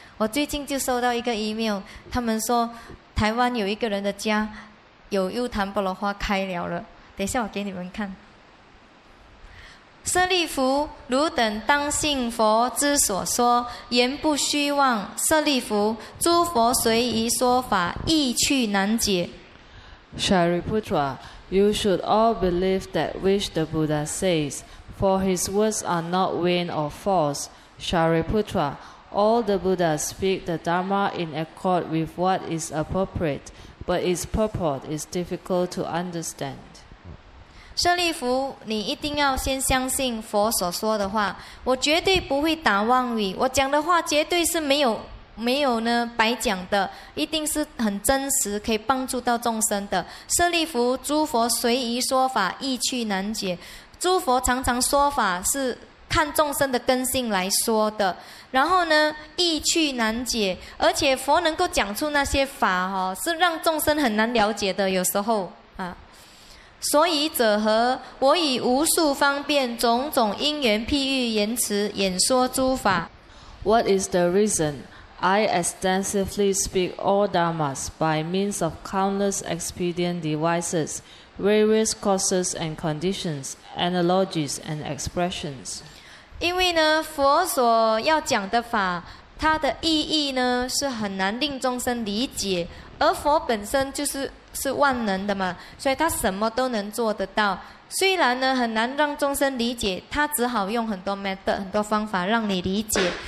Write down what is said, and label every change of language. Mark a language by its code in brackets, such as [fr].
[zh] 我最近就收到一个 email， 他们说台湾有一个人的家有幽昙波罗花开了了。等一下我给你们看。舍利弗，汝等当信佛之所说，言不虚妄。舍利弗，诸佛随意说法，意趣难解。 [en] Shariputra, you should all believe that which the Buddha says. For his words are not vain or false. Shariputra, all the Buddhas speak the Dharma in accord with what is appropriate, but its purport is difficult to understand. [zh] 舍利弗，你一定要先相信佛所说的话，我绝对不会打妄语，我讲的话绝对是没有呢白讲的，一定是很真实，可以帮助到众生的。舍利弗，诸佛随意说法，意趣难解。诸佛常常说法是看众生的根性来说的，然后呢意趣难解，而且佛能够讲出那些法、哦、是让众生很难了解的，有时候、啊、所以者何，我以无数方便种种因缘譬喻言辞演说诸法。 [en] What is the reason? I extensively speak all dharmas by means of countless expedient devices, various causes and conditions. Analogies and expressions. [zh] 因为呢，佛所要讲的法，它的意义呢是很难令众生理解，而佛本身就是万能的嘛，所以他什么都能做得到。虽然呢很难让众生理解，他只好用很多 method 很多方法让你理解。